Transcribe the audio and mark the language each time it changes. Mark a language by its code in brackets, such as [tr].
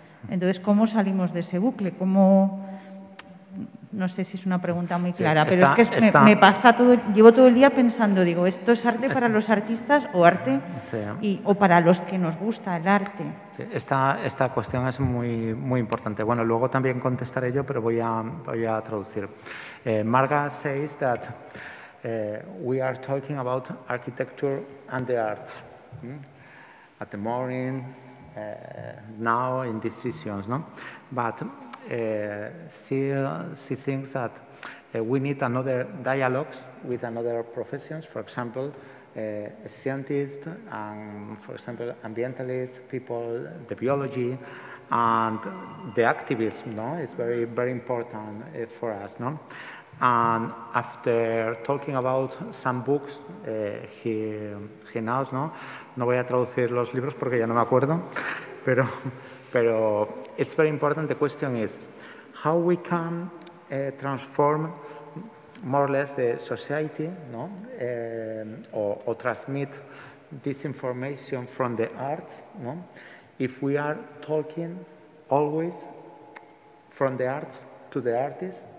[es] Entonces, ¿cómo salimos de ese bucle? ¿Cómo? No sé si es una pregunta muy clara, sí, pero está, es que me pasa todo, llevo todo el día pensando, digo, ¿esto es arte para los artistas o arte sí. y, o para los que nos gusta el arte? Sí, esta cuestión es muy, muy importante. Bueno, luego también contestaré yo, pero voy a traducir. [en] Marga says that we are talking about architecture and the arts at the morning, now in decisions, no? But she thinks that we need another dialogues with another professions, for example, scientists, and for example, ambientalists, people, the biology, and the activism. No, it's very, very important for us. No, and after talking about some books, he knows. [es] No, no voy a traducir los libros porque ya no me acuerdo, pero. [en] It's very important. The question is how we can transform more or less the society, no? Or transmit this information from the arts, no? If we are talking always from the arts to the artist,